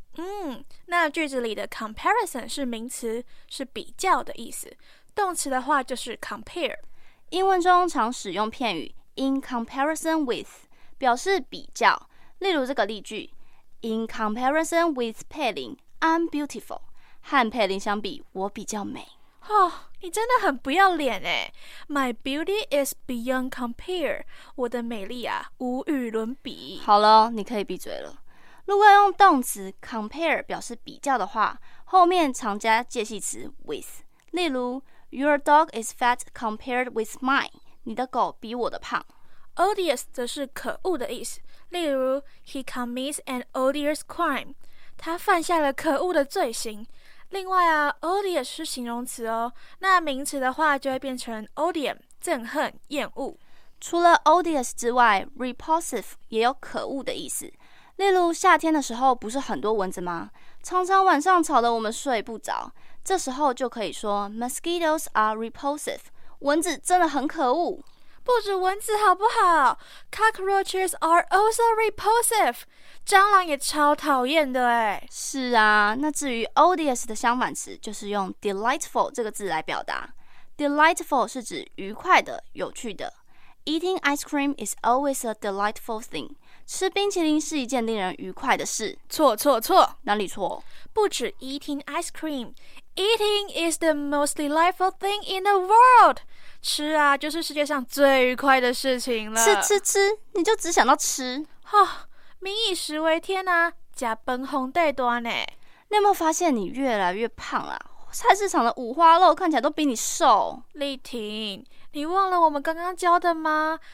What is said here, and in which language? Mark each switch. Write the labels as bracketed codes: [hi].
[zh] 嗯，那句子里的 comparison 是名词，是比较的意思，动词的话就是 compare。英文中常使用片语 in comparison with 表示比较，例如这个例句 [en] in comparison with 佩玲 I'm beautiful， [zh] 和佩玲相比我比较美。哦，你真的很不要脸耶。 [en] My beauty is beyond compare， [zh] 我的美丽啊无与伦比。好了，你可以闭嘴了。如果用动词 compare 表示比较的话，后面常加介系词 with， 例如 [en] Your dog is fat compared with mine， [zh] 你的狗比我的胖。 odious 则是可恶的意思，例如 [en] He commits an odious crime， [zh] 他犯下了可恶的罪行。另外啊 ，odious 是形容词哦，那名词的话就会变成 odium， 憎恨、厌恶。除了 odious 之外 ，repulsive 也有可恶的意思。例如夏天的时候不是很多蚊子吗？常常晚上吵得我们睡不着，这时候就可以说 [en] mosquitoes are repulsive， [zh] 蚊子真的很可恶。不止蚊子好不好 ？ [en] Cockroaches are also repulsive， [zh] 蟑螂也超讨厌的哎。是啊，那至于 odious 的相反词，就是用 delightful 这个字来表达。 Delightful 是指愉快的、有趣的。 [en] Eating ice cream is always a delightful thing， [zh] 吃冰淇淋是一件令人愉快的事。错错错，哪里错？不止 [en] eating ice cream， eating is the most delightful thing in the world。 [zh] 吃啊，就是世界上最愉快的事情了。吃吃吃，你就只想到吃。哈、哦，民以食为天啊，吃饭红底端呢。你有没有发现你越来越胖啊？菜市场的五花肉看起来都比你瘦。丽婷，你忘了我们刚刚教的吗？